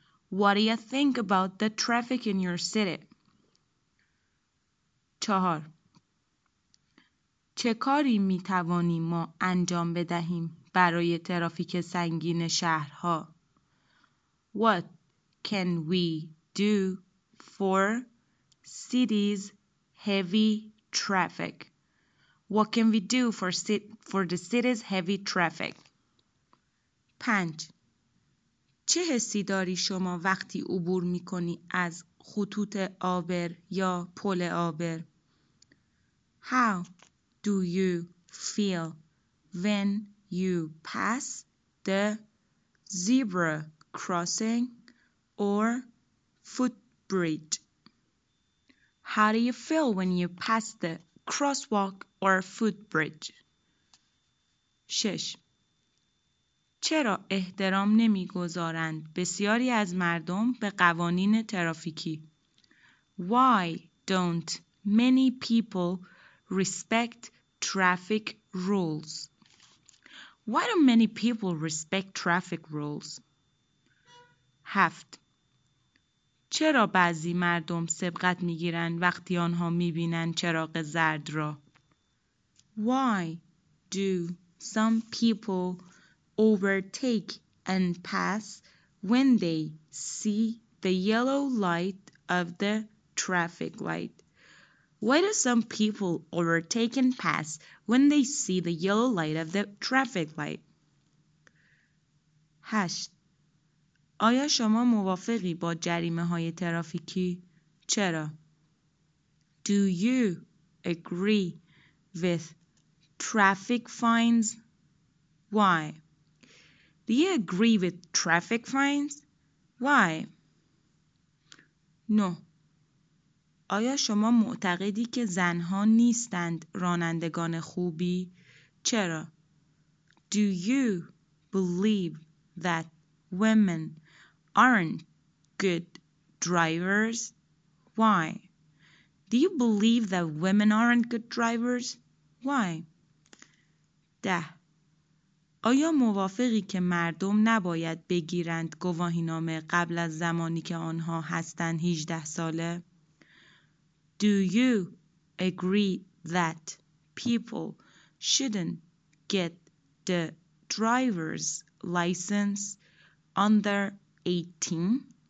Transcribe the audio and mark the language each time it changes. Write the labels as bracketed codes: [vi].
[en] What do you think about the traffic in your city? 4. [fa] چه کاری می توانیم ما انجام بدهیم برای ترافیک سنگین شهرها؟ [en] What can we do for cities heavy traffic? What can we do for the cities heavy traffic? 5. [fa] چه حسی داری شما وقتی عبور می کنی از خطوط عابر یا پل عابر؟ [en] How do you feel when you pass the zebra crossing or footbridge? How do you feel when you pass the crosswalk or footbridge? [fa] 6. چرا احترام نمیگذارند بسیاری از مردم به قوانین ترافیکی؟ [en] Why don't many people respect traffic rules? Why don't many people respect traffic rules? 7. [fa] چرا بعضی مردم سبقت میگیرند وقتی آنها میبینند چراغ زرد را؟ [en] Why do some people overtake and pass when they see the yellow light of the traffic light? Why do some people overtake and pass when they see the yellow light of the traffic light? 8. [fa] آیا شما موافقی با جریمه های ترافیکی؟ چرا؟ [en] Do you agree with traffic fines? Why? Do you agree with traffic fines? Why? No. [fa] آیا شما معتقدی که زنها نیستند رانندگان خوبی؟ چرا؟ [en] Do you believe that women aren't good drivers? Why? Do you believe that women aren't good drivers? Why? [fa] 10. آیا موافقی که مردم نباید بگیرند گواهینامه قبل از زمانی که آنها هستند 18 ساله؟ [en] Do you agree that people shouldn't get the driver's license under 18?